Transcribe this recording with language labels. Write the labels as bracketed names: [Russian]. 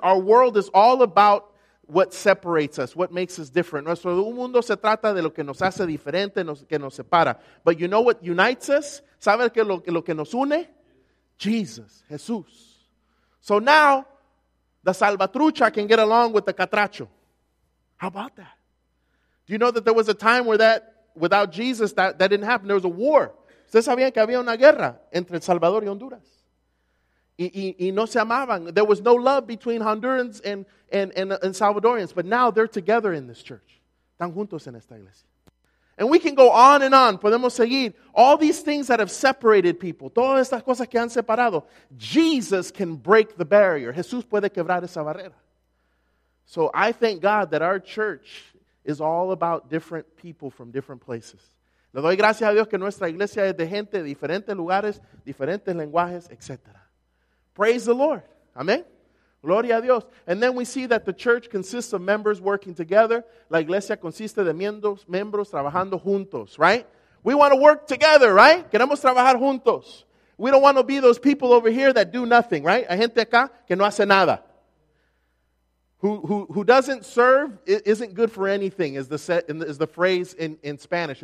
[English] Our world is all about what separates us, what makes us different. [Spanish] Nuestro mundo se trata de lo que nos hace diferente, que nos separa. [English] But you know what unites us? [Spanish] ¿Sabes que lo que nos une? [English] Jesus, Jesús. So now, the salvatrucha can get along with the catracho. How about that? Do you know that there was a time where that, without Jesus, that didn't happen? There was a war. [Spanish] ¿Ustedes sabían que había una guerra entre El Salvador y Honduras? Y no se amaban. [English] There was no love between Hondurans and Salvadorians. But now they're together in this church. [Spanish] Están juntos en esta iglesia. [English] And we can go on and on. [Spanish] Podemos seguir. [English] All these things that have separated people. [Spanish] Todas estas cosas que han separado. [English] Jesus can break the barrier. [Spanish] Jesús puede quebrar esa barrera. [English] So I thank God that our church is all about different people from different places. [Spanish] Le doy gracias a Dios que nuestra iglesia es de gente de diferentes lugares, diferentes lenguajes, etc. [English] Praise the Lord. Amen. [Spanish] Gloria a Dios. [English] And then we see that the church consists of members working together. [Spanish] La iglesia consiste de miembros trabajando juntos, right? [English] We want to work together, right? [Spanish] Queremos trabajar juntos. [English] We don't want to be those people over here that do nothing, right? [Spanish] Hay gente acá que no hace nada. [English] Who doesn't serve isn't good for anything, is the phrase in Spanish.